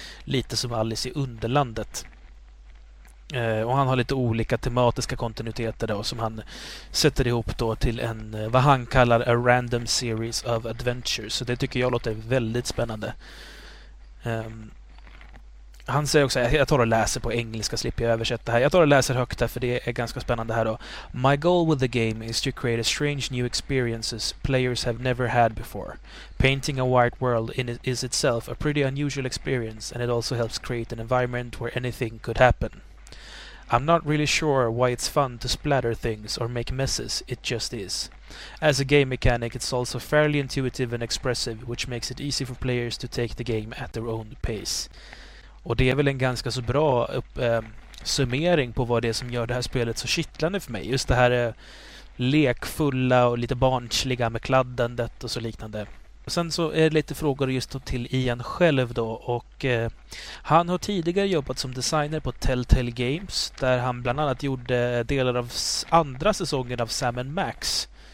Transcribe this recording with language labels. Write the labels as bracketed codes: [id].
[sv] Lite som Alice i Underlandet. Och han har lite olika tematiska kontinuiteter då, som han sätter ihop då till en, vad han kallar, [en] a random series of adventures. [sv] Så det tycker jag låter väldigt spännande. Han säger också, jag tar och läser på engelska, slipper jag översätta här. Jag tar och läser högt här, för det är ganska spännande här då. [en] My goal with the game is to create a strange new experiences players have never had before. Painting a white world in it is itself a pretty unusual experience, and it also helps create an environment where anything could happen. I'm not really sure why it's fun to splatter things or make messes, it just is. As a game mechanic, it's also fairly intuitive and expressive, which makes it easy for players to take the game at their own pace. [sv] Och det är väl en ganska så bra summering på vad det är som gör det här spelet så kittlande för mig. Just det här lekfulla och lite barnsliga med kladdandet och så liknande. Sen så är det lite frågor just till Ian själv då, och han har tidigare jobbat som designer på Telltale Games, där han bland annat gjorde delar av andra säsongen av Sam & Max.